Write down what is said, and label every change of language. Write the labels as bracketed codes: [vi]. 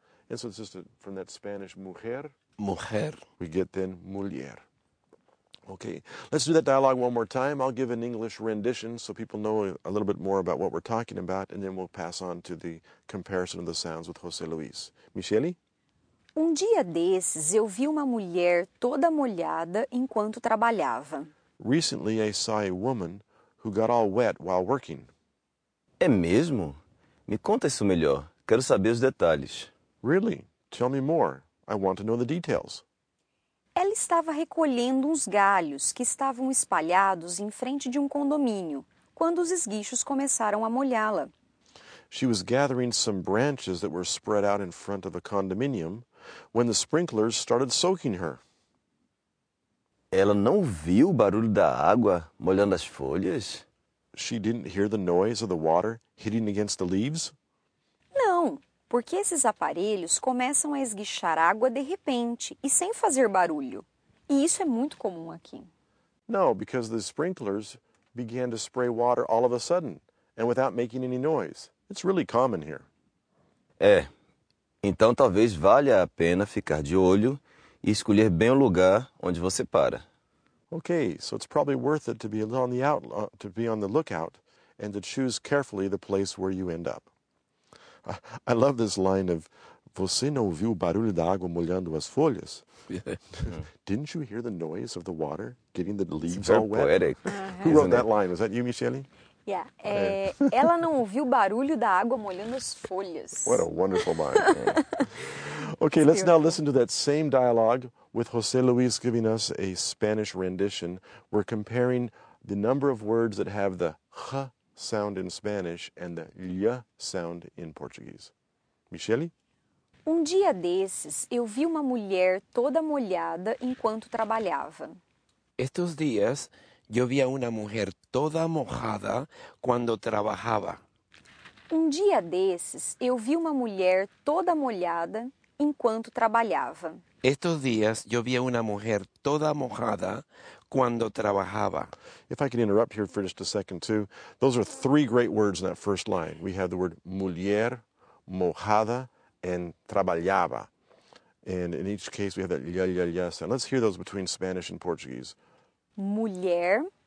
[en] And so it's just from that Spanish mujer. [es] Mujer. [en] We get then mulher. Okay, let's do that dialogue one more time. I'll give an English rendition so people know a little bit more about what we're talking about, and then we'll pass on to the comparison of the sounds with José Luis. Michele? [pt] Dia desses, eu vi uma mulher toda molhada enquanto trabalhava. [en] Recently, I saw a woman who got all wet while working. [pt] É mesmo? Me conta isso melhor. Quero saber os detalhes. [en] Really? Tell me more. I want to know the details. [pt] Ela estava recolhendo uns galhos que estavam espalhados em frente de condomínio quando os esguichos começaram a molhá-la. [en] She was gathering some branches that were spread out in front of a condominium when the sprinklers started soaking her. [pt] Ela não viu o barulho da água molhando as folhas? [en] She didn't hear the noise of the water hitting against the leaves? [pt] Não. Porque esses aparelhos começam a esguichar água de repente e sem fazer barulho. E isso é muito comum aqui. [en] No, because the sprinklers began to spray water all of a sudden and without making any noise. It's really common here. [pt] É. Então talvez valha a pena ficar de olho e escolher bem o lugar onde você para. [en] Okay, so it's probably worth it to be on the lookout and to choose carefully the place where you end up. I love this line of, [pt] você não ouviu o barulho da água molhando as folhas? [en] Didn't you hear the noise of the water getting the leaves all wet? Poetic. Who wrote that line? Was that you, Michele? Yeah. [pt] É, ela não ouviu o barulho da água molhando as folhas. [en] What a wonderful line. Okay, let's now listen to that same dialogue with José Luis giving us a Spanish rendition. We're comparing the number of words that have the "h" sound in Spanish and the "ly" sound in Portuguese. Michele? [pt] Dia desses, eu vi uma mulher toda molhada enquanto trabalhava. [es] Estos días, yo vi a una mujer toda mojada cuando trabajaba. [pt] Dia desses, eu vi uma mulher toda molhada enquanto trabalhava. [es] Estos días, yo vi a una mujer toda mojada cuando trabajaba. [en] If I could interrupt here for just a second, too. Those are three great words in that first line. We have the word mujer, mojada, and trabajaba. And in each case, we have that ya, ya, ya sound. Let's hear those between Spanish and Portuguese. [es] Mujer.